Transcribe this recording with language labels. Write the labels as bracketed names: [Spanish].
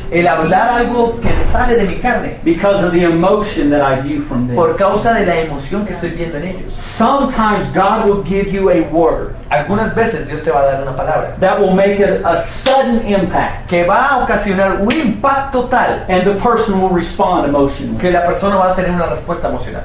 [Spanish] el hablar algo que sale de mi carne, [English] because of the emotion that I view from them. [Spanish] Por causa de la emoción que estoy viendo en ellos. [English] Sometimes God will give you a word. [Spanish] Algunas veces Dios te va a dar una palabra. [English] That will make a sudden impact. [Spanish] Que va a ocasionar un impacto tal. [English] And the person will respond emotionally. [Spanish] Que la persona va a tener una respuesta emocional.